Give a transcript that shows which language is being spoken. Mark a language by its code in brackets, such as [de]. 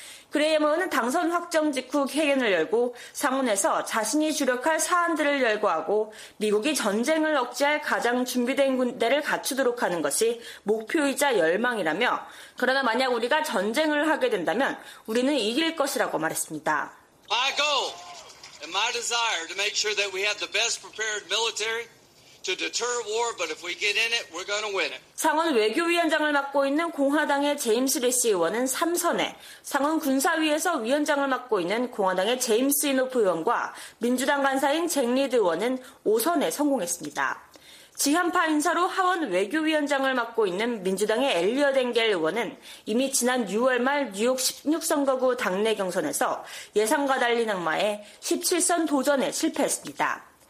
[ko] 그레이엄 의원은 당선 확정 직후 회견을 열고 상원에서 자신이 주력할 사안들을 열거하고 미국이 전쟁을 억제할 가장 준비된 군대를 갖추도록 하는 것이 목표이자 열망이라며 그러나 만약 우리가 전쟁을 하게 된다면 우리는 이길 것이라고 말했습니다. [en] My goal and my desire to make sure that we have the best prepared military, to to deter war, but if we get in it, we're going to win it. [ko] 상원 외교위원장을 맡고 있는 공화당의 제임스 래시 의원은 3선에, 상원 군사위에서 위원장을 맡고 있는 공화당의 제임스 이노프 의원과 민주당 간사인 잭 리드 의원은 5선에 성공했습니다. 지한파 인사로 하원 외교위원장을 맡고 있는 민주당의 엘리엇 앵겔 의원은 이미 지난 6월 말 뉴욕 16선거구 당내 경선에서 예상과 달리 낙마해 17선 도전에 실패했습니다.